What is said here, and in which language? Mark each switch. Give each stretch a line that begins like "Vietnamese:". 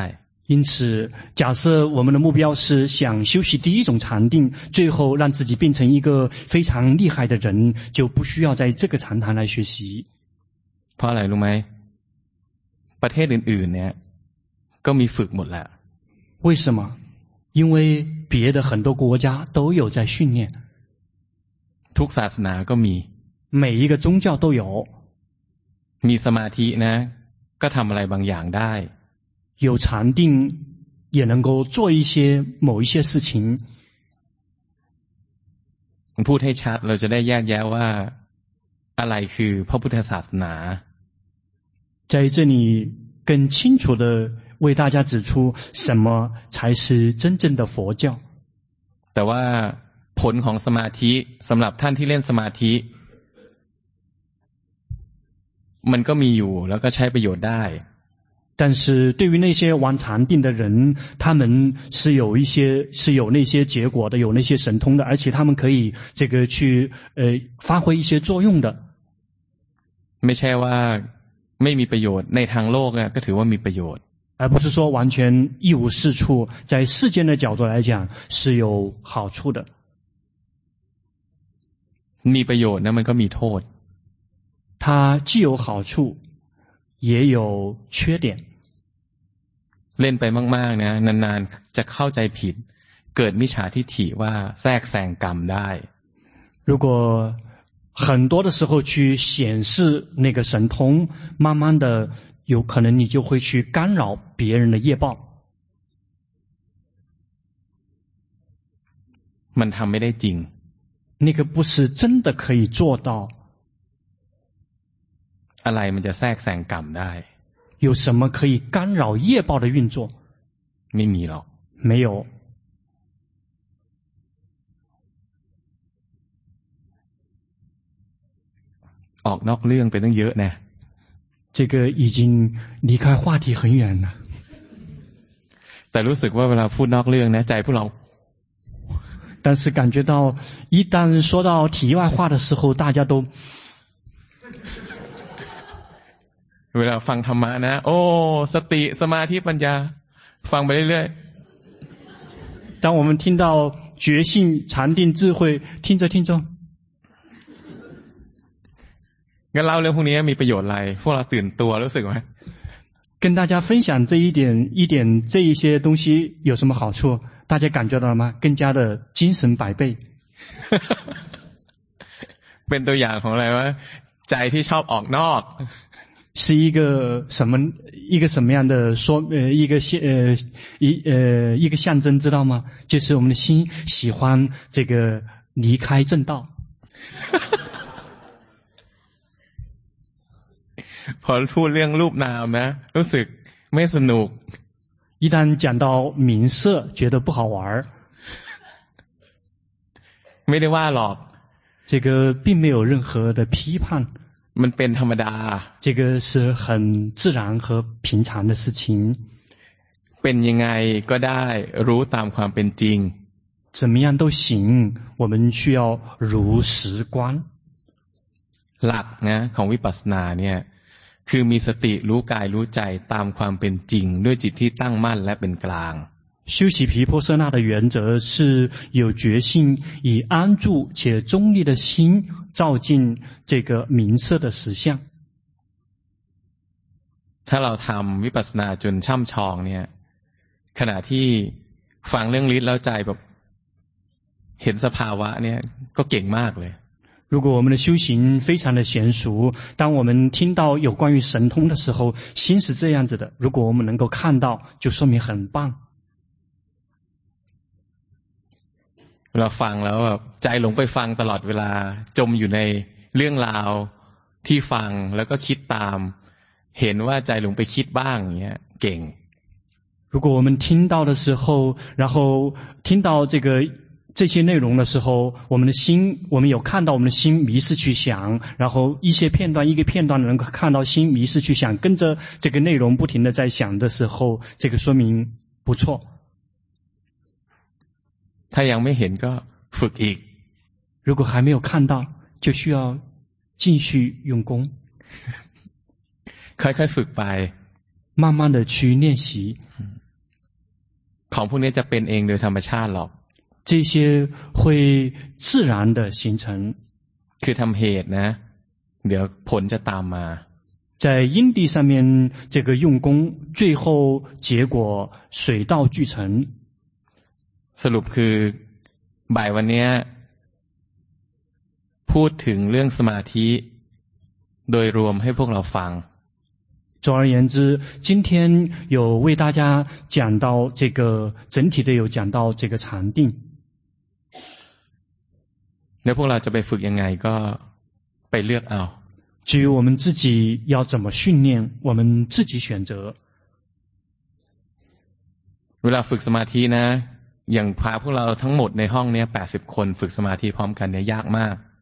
Chinese: 因此假设我们的目标是想修习第一种禅定最后让自己变成一个非常厉害的人就不需要在这个禅堂来学习
Thai: เพราะอะไรรู้ไหมประเทศอื่นๆเนี่ยก็มีฝึกหมดแล้ว
Chinese: 为什么因为别的很多国家都有在训练
Thai: ทุกศาสนาก็มี
Chinese: 每一个宗教都有
Thai: มีสมาธินะก็ทำอะไรบางอย่างได้
Chinese: 有禅定也能够做一些某一些事情。
Thai: พูดให้ชัดเราจะได้แยกแยะว่าอะไรคือพระพุทธศาสนา
Chinese: 在这里更清楚的为大家指出什么才是真正的佛教
Thai: แต่ว่าผลของสมาธิสำหรับท่านที่เล่นสมาธิมันก็มีอยู่แล้วก็ใช้ประโยชน์ได้
Chinese: 但是对于那些玩禅定的人他们是有一些是有那些结果的有那些神通的而且他们可以这个去发挥一些作用的
Thai: ไม่ใช่ว่าไม่มีประโยชน์ในทางโลกก็ถือว่ามีประโยชน์
Chinese: 而不是说完全一无是处在世间的角度来讲是有好处的
Thai: มีประโยชน์นะมันก็มีโทษ
Chinese: 它既有好处也有缺点
Thai: เล่นไปมากๆนะนานๆจะเข้าใจผิดเกิดมิจฉาทิฏฐิว่าแทรกแซงกรรมได้
Chinese: 如果很多的时候去显示那个神通慢慢的有可能你就会去干扰别人的业报
Thai: มันทำไม่ได้จริง
Chinese: 那个不是真的可以做到
Thai: อะไรมันจะแทรกแซงกรรมได้
Chinese: 有什么可以干扰业报的运作
Thai: ไม่มีหรอก
Chinese: 没有
Thai: ออกนอกเรื่องไปตั้งเยอะนะ
Chinese: 这个已经离开话题很远了
Thai: แต่รู้สึกว่าเวลาพูดนอกเรื่องนะใจพวกเรา
Chinese: 但是感觉到一旦说到题外话的时候大家都
Thai: เวลาฟังธรรมะนะโอ้สติสมาธิปัญญาฟังไปเรื่อย
Chinese: ๆ当我们听到觉性禅定智慧听着听着
Thai: งั้นเล่าเรื่องพวกนี้มีประโยชน์อะไรพวกเราตื่นตัวรู้สึกไหม
Chinese: 跟大家分享这一点这一些东西有什么好处大家感觉到了吗更加的精神百倍
Thai: เป็นตัวอย่างของอะไรวะใจที่ชอบออกนอก
Chinese: 是一个什么一个什么样的说一个一个象征知道吗就是我们的心喜欢这个离开正道
Thai: พอพูดเรื่องรูปนามนะรู้สึกไม่สนุก
Chinese: 一旦讲到名色觉得不好玩
Thai: ไม่ได้ว่าหรอก
Chinese: 这个并没有任何的批判
Thai: มันเป็นธรรมดา
Chinese: 这个是很自然和平常的事情
Thai: เป็นยังไงก็ได้รู้ตามความเป็นจริง
Chinese: 怎么样都行我们需要如实观
Thai: หลักนะของวิปัสสนาเนี่ยคือมีสติรู้กายรู้ใจตามความเป็นจริงด้วยจิตที่ตั้งมั่นและเป็นกลาง
Chinese: 修习毗婆舍那的原则是有觉性以安住且中立的心照进这个名色的实相
Thai: ถ้าเราทำวิปัสสนาจนช่ำชองเนี่ยขณะที่ฟังเรื่องฤทธิ์แล้วใจแบบเห็นสภาวะเนี่ยก็เก่งมากเลย
Chinese: 如果我们的修行非常的娴熟当我们听到有关于神通的时候心是这样子的如果我们能够看到就说明很棒
Thai: เราฟังแล้วใจหลงไปฟังตลอดเวลาจมอยู่ในเรื่องราวที่ฟังแล้วก็คิดตามเห็นว่าใจหลงไปคิดบ้างอย่างเงี้ยเก่ง
Chinese: 如果我们听到的时候然后听到这些内容的时候我们的心我们有看到我们的心迷失去想然后一些片段一个片段能够看到心迷失去想跟着这个内容不停的在想的时候这个说明不错
Thai: ถ้ายังไม่เห็นก็ฝึกอีก
Chinese: 如果还没有看到就需要继续用功
Thai: ค่อยๆฝึกไป
Chinese: 慢慢的去练习
Thai: ของพวกนี้จะเป็นเองโดยธรรมชาติหรอก
Chinese: 这些会自然的形成
Thai: คือทำเหตุนะเดี๋ยวผลจะตามมา
Chinese: 在因地上面这个用功最后结果水到渠成
Thai: สรุปคือบ่ายวันนี้พูดถึงเรื่องสมาธิโดยรวมให้พวกเราฟัง
Chinese: 总而言之，今天有为大家讲到这个整体的，有讲到这个禅定。
Thai: 那พวกเราจะไปฝึกยังไงก็ไปเลือกเอา。
Chinese: 至于我们自己要怎么训练，我们自己选择。
Thai: เวลาฝึกสมาธินะอย่างพาพวกเราทั้งหมดในห้องเนี้ย80คนฝึกสมาธิพร้อมกันเนี่ยยากมาก